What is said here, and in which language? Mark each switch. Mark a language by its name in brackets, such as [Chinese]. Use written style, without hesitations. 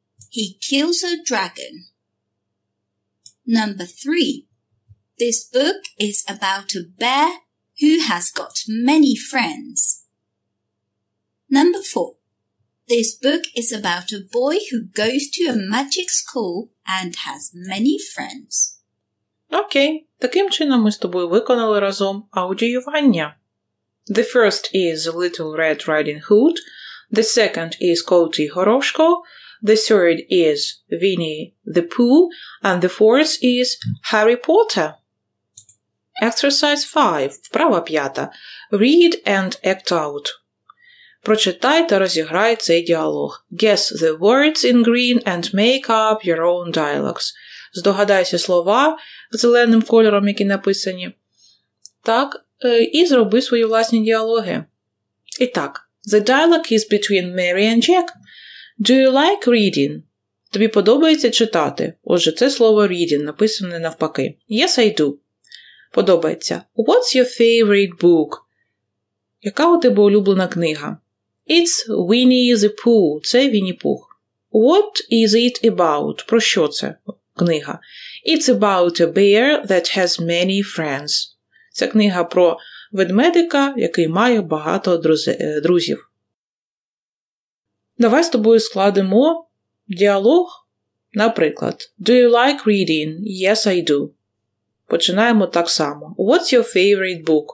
[English] He kills a dragon. Number 3. This book is about a bear who has got many friends. Number 4. This book is about a boy who goes to a magic school and has many friends. [Ukrainian] Окей, таким чином ми з тобою виконали разом аудіювання. [English] The first is Little Red Riding Hood. The second is Коти Горошко. The third is Winnie the Pooh. And the fourth is Harry Potter. Exercise 5. [Ukrainian] Вправа п'ята. [English] Read and act out. [Ukrainian] Прочитай та розіграй цей діалог. [English] Guess the words in green and make up your own dialogues. [Ukrainian] Здогадайся слова зеленим кольором, які написані. Так, і зроби свої власні діалоги. І так, [English] the dialogue is between Mary and Jack. Do you like reading? [Ukrainian] Тобі подобається читати? Отже, це слово reading написане навпаки. [English] Yes, I do. [Ukrainian] Подобається. [English] What's your favorite book? [Ukrainian] Яка у тебе улюблена книга? [English] It's Winnie the Pooh. [Ukrainian] Це Вінні-Пух. [English] What is it about? [Ukrainian] Про що це книга? [English] It's about a bear that has many friends. [Ukrainian] Це книга про ведмедика, який має багато друзів. Давай з тобою складемо діалог. Наприклад, [English] do you like reading? Yes, I do. [Ukrainian] Починаємо так само. [English] What's your favorite book?